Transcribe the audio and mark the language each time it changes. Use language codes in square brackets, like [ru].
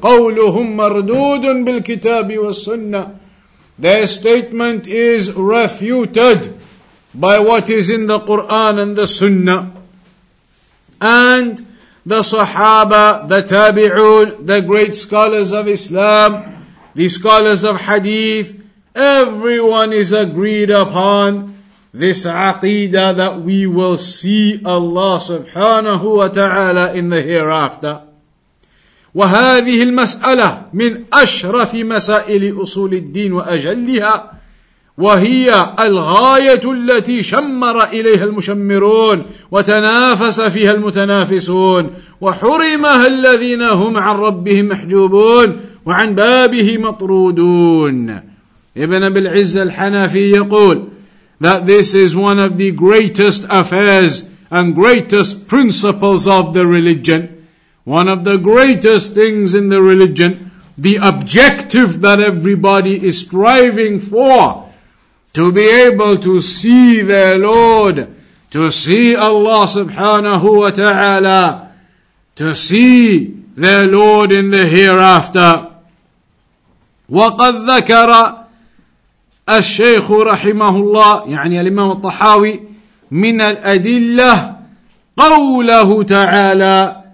[ar] قولهم مردود بالكتاب والسنة. [en] Their statement is refuted by what is in the Quran and the Sunnah. And the Sahaba, the Tabi'un, the great scholars of Islam, the scholars of Hadith, everyone is agreed upon this Aqeedah that we will see Allah subhanahu wa ta'ala in the hereafter. [ar] وهذه المسألة من أشرف مسائل أصول الدين وأجلها وهي الغاية التي شمر إليها المشمرون وتنافس فيها المتنافسون وحرمها الذين هم عن ربهم محجوبون وعن بابه مطرودون. [en] Ibn Abil Izz al-Hanafi [ar] يقول [en] that this is one of the greatest affairs and greatest principles of the religion, one of the greatest things in the religion, the objective that everybody is striving for, to be able to see their Lord, to see Allah subhanahu wa ta'ala, to see their Lord in the hereafter. [ar] وَقَدْ ذَكَرَ الشَّيْخُ رَحِمَهُ اللَّهِ يعني الإمام الطحاوي من الأدلة قوله تعالى